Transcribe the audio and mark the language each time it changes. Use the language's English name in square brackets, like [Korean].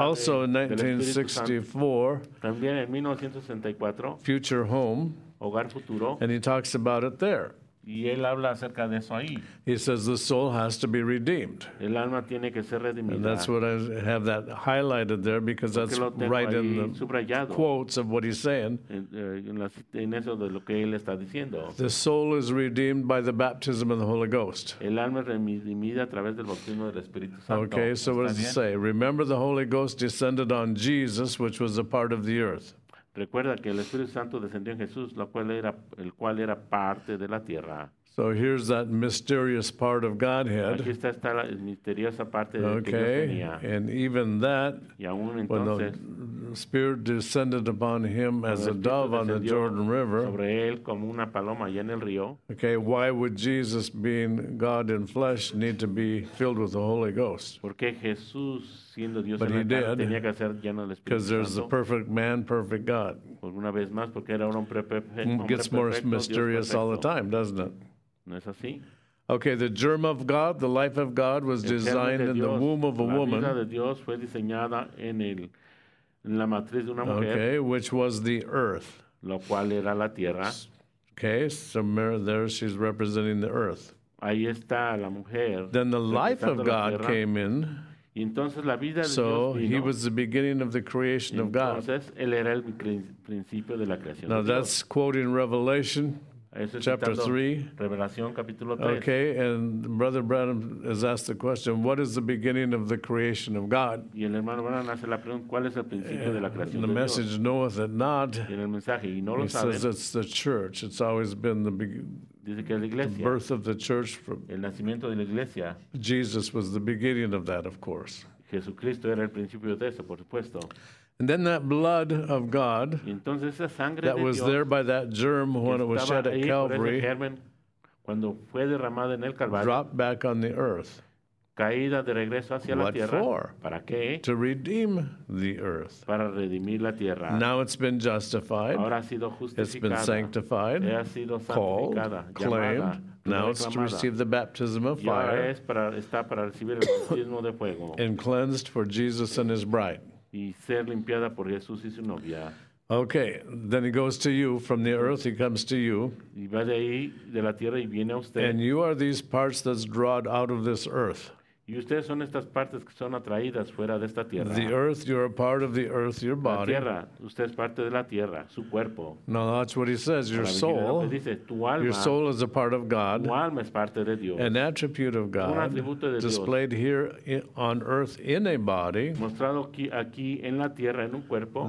[English] also in 1964, [Spanish] también en 1964, [English] Future Home, [Spanish] Hogar Futuro, [English] and he talks about it there. [Spanish] Y él habla acerca de eso ahí. [English] He says the soul has to be redeemed. [Spanish] El alma tiene que ser redimida. [English] And that's what I have that highlighted there because [Spanish] Porque [English] that's [Spanish] lo tengo [English] right [Spanish] ahí [English] in the [Spanish] subrayado. [English] Quotes of what he's saying. [Spanish] En eso de lo que él está diciendo. [English] The soul is redeemed by the baptism of the Holy Ghost. [Spanish] El alma es redimida a través del bautismo del Espíritu Santo. [English] Okay, so what does it say? Remember the Holy Ghost descended on Jesus, which was a part of the earth. [Spanish] Recuerda que el Espíritu Santo descendió en Jesús, el cual era parte de la tierra. [English] So here's that mysterious part of Godhead. [Spanish] Aquí está la misteriosa parte de [English] okay. [Spanish] que Dios tenía. [English] And even that, [Spanish] y aún entonces, [English] when the Spirit descended upon him as a dove on the Jordan River, [Spanish] sobre él como una paloma allá en el río. [English] Okay, why would Jesus, being God in flesh, need to be filled with the Holy Ghost? [Spanish] Porque Jesús, siendo Dios [English] but [Spanish] en [English] he [Spanish] la [English] did, [Spanish] tenía que ser lleno del Espíritu Santo. [English] Because there's a perfect man, perfect God. [Spanish] Por una vez más, porque era un hombre perfecto. [English] It gets more mysterious all the time, doesn't it? [Spanish] ¿No es así? [English] Okay, the germ of God, the life of God, was designed in the womb of a woman. [Spanish] La vida de Dios fue diseñada en la matriz de una mujer. [English] Okay, which was the earth. [Spanish] Lo cual era la tierra. [English] Okay, so Mary, there she's representing the earth. [Spanish] Ahí está la mujer. [English] Then the life of God came in. [Spanish] Y entonces la vida de [English] so [Spanish] Dios vino. [English] He was the beginning of the creation [Spanish] entonces, [English] of God. [Spanish] Entonces él era el principio de la creación. [English] Now [Spanish] de Dios. [English] That's quoting Revelation. Chapter 3. Okay, and Brother Branham has asked the question, what is the beginning of the creation of God? And the message knoweth it not. He says it's the church. It's always been the [Spanish] Dice que la iglesia, [English] the birth of the church. From [Spanish] el nacimiento de la iglesia. [English] Jesus was the beginning of that, of course. [Spanish] Jesucristo era el principio de eso, por supuesto. [English] And then that blood of God [Spanish] entonces, esa sangre [English] that [Spanish] de [English] was [Spanish] Dios, [English] there by that germ when it was shed at Calvary [Spanish] germen, cuando fue derramada en el Calvario, [English] dropped back on the earth. [Spanish] Caída de regreso hacia [English] what [Spanish] la tierra. [English] For? [Spanish] ¿Para qué? [English] To redeem the earth. [Spanish] Para redimir la tierra. [English] Now it's been justified. [Spanish] Ahora ha sido justificada. [English] It's been sanctified. [Spanish] Ha sido [English] called, [Spanish] llamada, [English] claimed. Now it's to receive the baptism of fire [Spanish] está para recibir el bautismo de fuego. [English] And cleansed for Jesus and his bride. [Spanish] y ser limpiada por Jesús y su novia. [English] Okay, then he goes to you from the earth. He comes to you. [Spanish] Y va de ahí de la tierra y viene a usted. [English] And you are these parts that's drawn out of this earth. [Spanish] Y ustedes son estas partes que son atraídas fuera de esta tierra. [English] The earth, you're a part of the earth, your body. [Spanish] La tierra, usted es parte de la tierra, su cuerpo. [English] No, that's what he says, your soul. [Spanish] Dice, tu alma, [English] your soul is a part of God. [Spanish] Tu alma es parte de Dios. [English] An attribute of God. [Spanish] Un atributo de Dios. [English] Displayed here on earth in a body. [Spanish] Mostrado aquí en la tierra en un cuerpo.